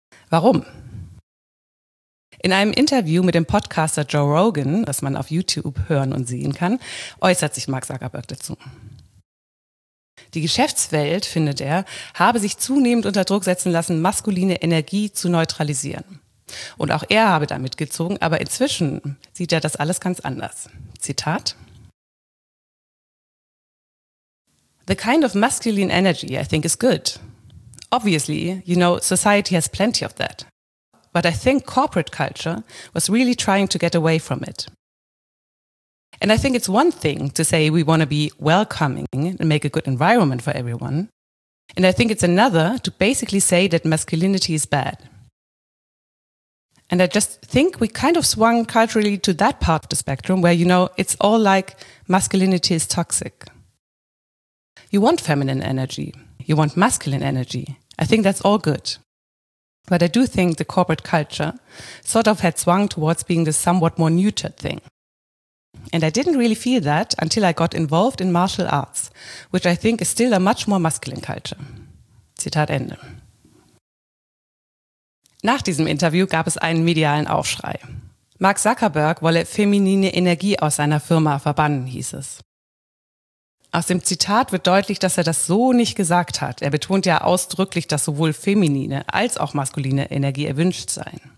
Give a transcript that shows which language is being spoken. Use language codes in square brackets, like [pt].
[de] Warum? In einem Interview mit dem Podcaster Joe Rogan, das man auf YouTube hören und sehen kann, äußert sich Mark Zuckerberg dazu. Die Geschäftswelt, findet er, habe sich zunehmend unter Druck setzen lassen, maskuline Energie zu neutralisieren. Und auch er habe damit gezogen, aber inzwischen sieht er das alles ganz anders. [en] Zitat: The kind of masculine energy I think is good. Obviously, you know, society has plenty of that. But I think corporate culture was really trying to get away from it. And I think it's one thing to say we want to be welcoming and make a good environment for everyone. And I think it's another to basically say that masculinity is bad. And I just think we kind of swung culturally to that part of the spectrum where, you know, it's all like masculinity is toxic. You want feminine energy. You want masculine energy. I think that's all good. But I do think the corporate culture sort of had swung towards being the somewhat more neutered thing. And I didn't really feel that until I got involved in martial arts, which I think is still a much more masculine culture. [de] Zitat Ende. Nach diesem Interview gab es einen medialen Aufschrei. Mark Zuckerberg wolle feminine Energie aus seiner Firma verbannen, hieß es. Aus dem Zitat wird deutlich, dass er das so nicht gesagt hat. Er betont ja ausdrücklich, dass sowohl feminine als auch maskuline Energie erwünscht seien.